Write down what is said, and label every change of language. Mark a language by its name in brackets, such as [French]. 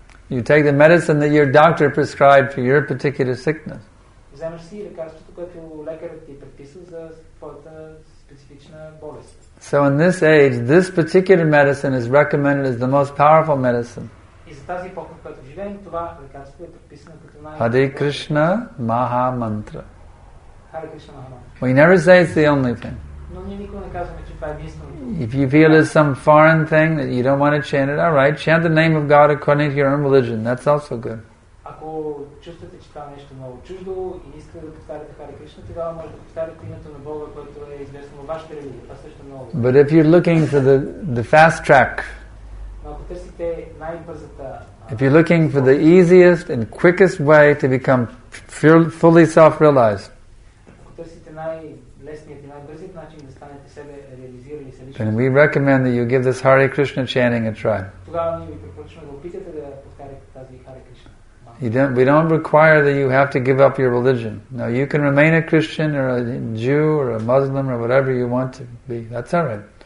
[English] You take the medicine that your doctor prescribed for your particular sickness. [Bulgarian] Вземаш си лекарството, което лекарът ти е предписал за твоята специфична болест. [English] So in this age, this particular medicine is recommended as the most powerful medicine. [Bulgarian] И за тази епоха, в която живеем, това лекарство е предписано като най-. [English] Hare Krishna Maha Mantra. Hare Krishna Maha Mantra. We never say it's the only thing. [Bulgarian] Но ние никога не казваме, че това е единственото. [English] If you feel it's some foreign thing that you don't want to chant it, all right, chant the name of God according to your own religion. That's also good. [Bulgarian] Ако чувствате, че това е нещо много чуждо и искате да повтаряте Хари Кришна, тогава може да повтаряте името на Бога, което е известно в вашата религия. Това също е много. [English] But if you're looking for the fast track, [Bulgarian] ако търсите най-бързата, [English] if you're looking for the easiest and quickest way to become fully self-realized, [Bulgarian] ако търсите най-лесният и най-бързият начин да станете себе реализирани и самостоятелни, [English] then we recommend that you give this Hare Krishna chanting a try. [Bulgarian] Тогава ние ви препоръчваме да опитате да повтаряте тази Хари Кришна. [English] We don't require that you have to give up your religion. No, you can remain a Christian or a Jew or a Muslim or whatever you want to be. That's all right.